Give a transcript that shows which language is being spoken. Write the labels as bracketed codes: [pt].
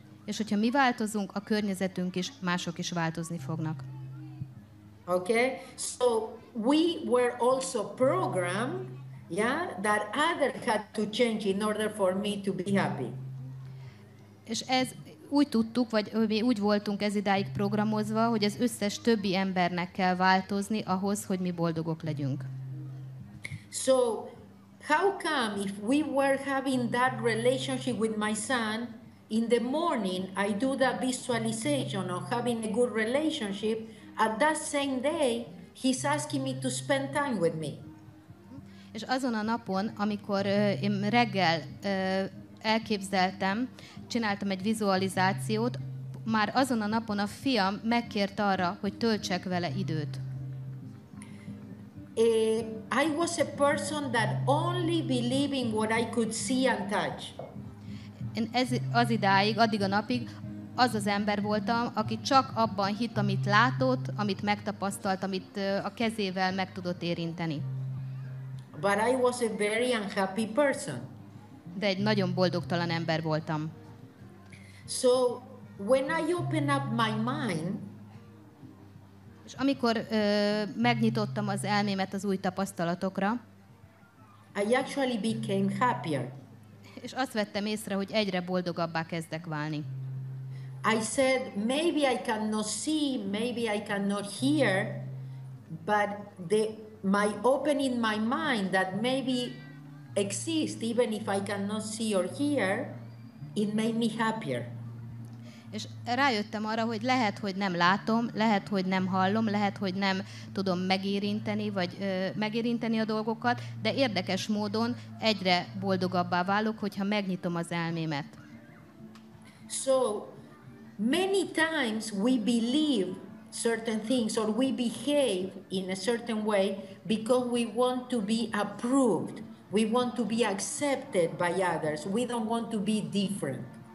[hu] És hogyha mi változunk, a környezetünk is, mások is változni fognak. [en] Okay, so we were also programmed, yeah, that others had to change in order for me to be happy. [hu] És ez úgy tudtuk, vagy mi úgy voltunk ez idáig programozva, hogy az összes többi embernek kell változni ahhoz, hogy mi boldogok legyünk. [en] So how come if we were having that relationship with my son, In the morning, I do that visualization of having a good relationship. At that same day, he's asking me to spend time with me. [hu] És azon a napon, amikor én reggel elképzeltem, csináltam egy vizualizációt, már azon a napon a fiam megkért arra, hogy töltsek vele időt. [en] I was a person that only believed in what I could see and touch. [hu] Én az idáig, addig a napig az az ember voltam, aki csak abban hitt, amit látott, amit megtapasztalt, amit a kezével meg tudott érinteni. [en] But I was a very unhappy person. [hu] De egy nagyon boldogtalan ember voltam. [en] So when I open up my mind, [hu] és amikor megnyitottam az elmémet az új tapasztalatokra, [en] I actually became happier. [hu] És azt vettem észre, hogy egyre boldogabbá kezdek válni. [en] I said maybe I cannot see, maybe I cannot hear, but my opening my mind that maybe exists even if I cannot see or hear, it made me happier. [hu] És rájöttem arra, hogy lehet, hogy nem látom, lehet, hogy nem hallom, lehet, hogy nem tudom megérinteni, vagy megérinteni a dolgokat, de érdekes módon egyre boldogabbá válok, hogyha megnyitom az elmémet. [en] So, many times we believe certain things or we behave in a certain way because we want to be approved, we want to be accepted by others, we don't want to be different.